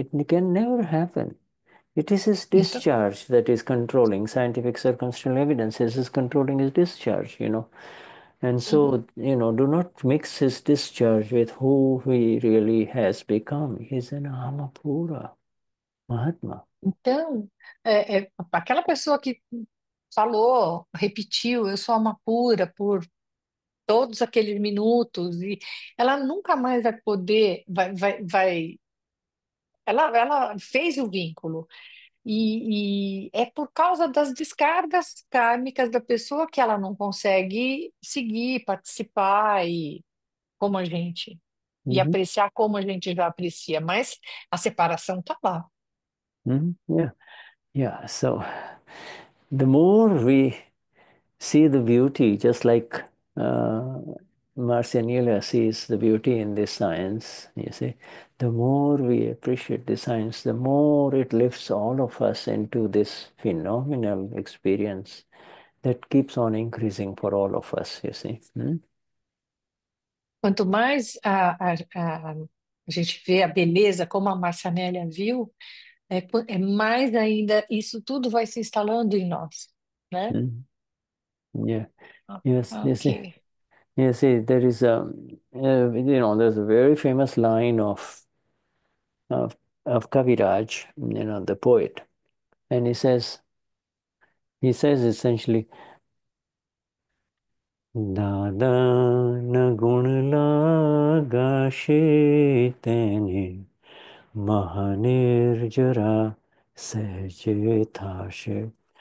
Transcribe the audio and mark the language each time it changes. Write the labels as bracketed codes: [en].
[en] It can never happen. It is his discharge that is controlling. Scientific circumstantial evidence is his controlling his discharge, you know. And so, you know, do not mix his discharge with who he really has become. He's an Amapura, Mahatma. [pt] Então, aquela pessoa que falou, repetiu, eu sou uma pura por todos aqueles minutos, e ela nunca mais vai poder, vai. Ela fez o vínculo, e é por causa das descargas kármicas da pessoa que ela não consegue seguir, participar e como a gente, e apreciar como a gente já aprecia, mas a separação está lá. [en] So the more we see the beauty, just like Marcianila sees the beauty in this science, you see, the more we appreciate the science, the more it lifts all of us into this phenomenal experience that keeps on increasing for all of us, you see. [pt] Quanto mais a gente vê a beleza, como a Marcianella viu, é mais ainda isso tudo vai se instalando em nós, né? [en] You see, there is a, you know, there's a very famous line of Kaviraj, you know, the poet, and he says essentially, [gu] Dada na guna lagashe tene mahanirjara sahaje thashe.